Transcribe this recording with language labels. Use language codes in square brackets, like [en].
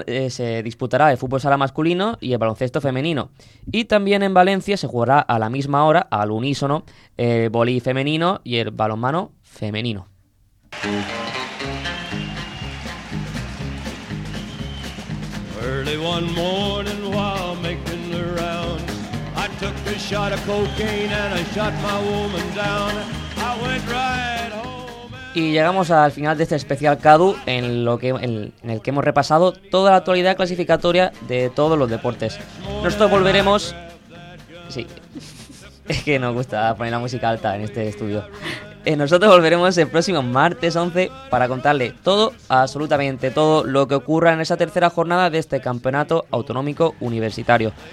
[es] Se disputará el fútbol sala masculino y el baloncesto femenino. Y también en Valencia se jugará a la misma hora, al unísono, el vóley femenino y el balonmano femenino. [en] Early one morning while making the rounds, I took a shot of cocaine and I shot my woman down. I went right home. [es] Y llegamos al final de este especial CADU en el que hemos repasado toda la actualidad clasificatoria de todos los deportes. Nosotros volveremos. Sí. Es que nos gusta poner la música alta en este estudio. Nosotros volveremos el próximo martes 11 para contarle todo, absolutamente todo, lo que ocurra en esa tercera jornada de este campeonato autonómico universitario.